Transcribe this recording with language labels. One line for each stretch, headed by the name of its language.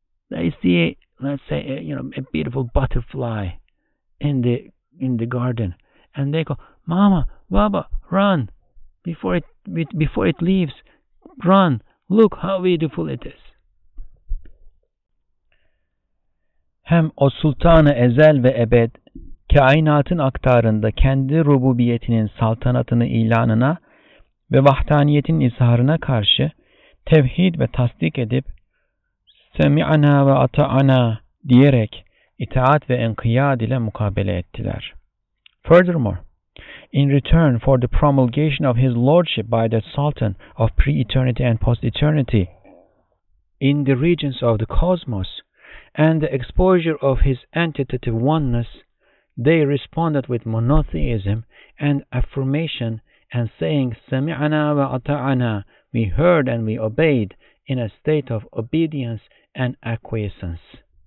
English: They see, let's say, a beautiful butterfly in the garden. And they go, Mama, Baba, run before it leaves. Run, look how beautiful it is.
Turkish: Hem o Sultan-ı Ezel ve Ebed, kainatın aktarında kendi rububiyetinin saltanatını ilanına ve vahdaniyetin izharına karşı tevhid ve tasdik edip,
Arabic: semi'ana ve ata'ana
Turkish: diyerek itaat ve inkiyad ile mukabele ettiler.
English: Furthermore, in return for the promulgation of his lordship by the Sultan of pre-eternity and post-eternity in the regions of the cosmos and the exposure of his entitative oneness, they responded with monotheism and affirmation and saying,
Arabic: Sami'ana wa ata'ana,
English: we heard and we obeyed, in a state of obedience and acquiescence.